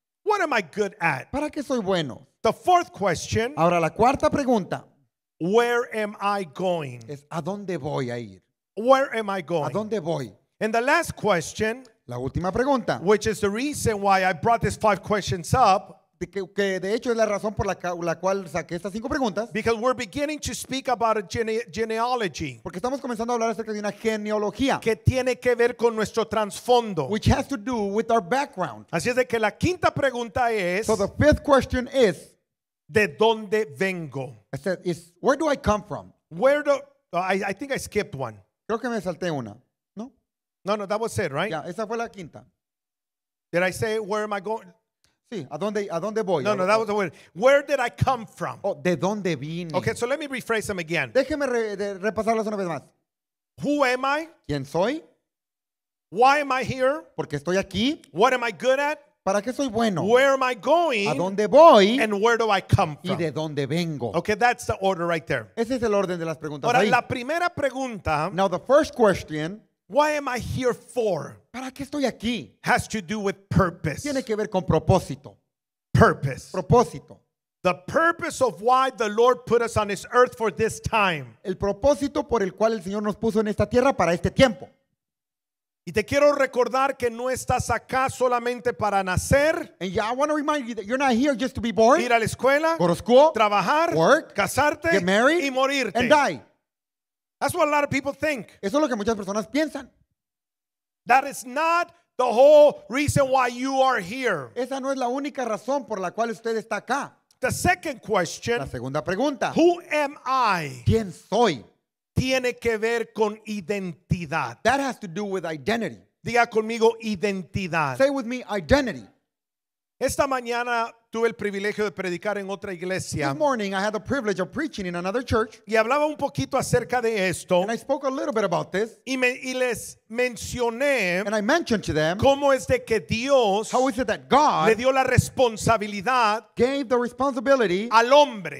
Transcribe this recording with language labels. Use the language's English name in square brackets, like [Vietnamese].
[English] What am I good at? [Spanish] ¿Para qué soy bueno? [English] The fourth question. [Spanish] Ahora la cuarta pregunta. [English] Where am I going? [Spanish] Es ¿a dónde voy a ir? [English] Where am I going? [Spanish] ¿A dónde voy? [English] And the last question. [Spanish] La última pregunta. [English] Which is the reason why I brought these five questions up. [Spanish] Que de hecho es la razón por la cual saqué estas cinco preguntas. [English] Because we're beginning to speak about a genealogy. [Spanish] Porque estamos comenzando a hablar acerca de una genealogía. Que tiene que ver con nuestro trasfondo. [English] Which has to do with our background. [Spanish] Así es de que la quinta pregunta es. [English] So the fifth question is. [Spanish] De dónde vengo. [English] I said, it's, where do I come from? Where do I think I skipped one. [Spanish] Creo que me salté una. No. [English] No, no, that was it, right? [Spanish] Yeah, esa fue la quinta. [English] Did I say where am I going? [Spanish] Sí, a dónde voy? [English] No, no, that was the word. Where did I come from? [Spanish] Oh, de dónde vine. [English] Okay, so let me rephrase them again. [Spanish] Déjeme repasarlas una vez más. [English] Who am I? [Spanish] ¿Quién soy? [English] Why am I here? [Spanish] Porque estoy aquí. [English] What am I good at? [Spanish] ¿Para qué soy bueno? [English] Where am I going? [Spanish] ¿A dónde voy? [English] And where do I come from? [Spanish] ¿Y de dónde vengo? [English] Okay, that's the order right there. [Spanish] Ese es el orden de las preguntas. Ahora, la primera pregunta. [English] Now, the first question. Why am I here for? [Spanish] ¿Para qué estoy aquí? [English] Has to do with purpose. [Spanish] Tiene que ver con propósito. [English] Purpose. [Spanish] Propósito. [English] The purpose of why the Lord put us on this earth for this time. [Spanish] El propósito por el cual el Señor nos puso en esta tierra para este tiempo. Y te quiero recordar que no estás acá solamente para nacer. [English] And yeah, I want to remind you that you're not here just to be born. [Spanish] Ir a la escuela. [English] Go to school. [Spanish] Trabajar. [English] Work. [Spanish] Casarte. [English] Get married. [Spanish] Y morirte. [English] And die. That's what a lot of people think. [Spanish] Eso es lo que muchas personas piensan. [English] That is not the whole reason why you are here. [Spanish] Esa no es la única razón por la cual usted está acá. [English] The second question. [Spanish] La segunda pregunta. [English] Who am I? [Spanish] ¿Quién soy? Tiene que ver con identidad. [English] That has to do with identity. [Spanish] Diga conmigo identidad. [English] Say with me identity. [Spanish] Esta mañana tuve el privilegio de predicar en otra iglesia. [English] This morning I had the privilege of preaching in another church. [Spanish] Y hablaba un poquito acerca de esto. [English] And I spoke a little bit about this. [Spanish] Y les mencioné. [English] And I mentioned to them. [Spanish] Cómo es de que Dios. [English] How is it that God. [Spanish] Le dio la responsabilidad. [English] Gave the responsibility. [Spanish] Al hombre.